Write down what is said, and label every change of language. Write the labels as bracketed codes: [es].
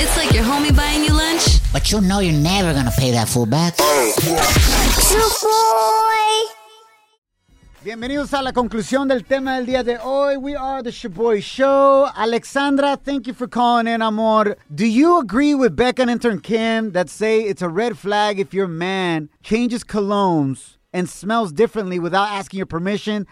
[en] It's like your homie buying you lunch, but you know you're never gonna pay that full back. Shaboy. [es] Bienvenidos a la conclusión del tema del día de hoy. [en] We are the Shaboy Show. Alexandra, thank you for calling in, amor. Do you agree with Becca and intern Kim that say it's a red flag if your man changes colognes and smells differently without asking your permission?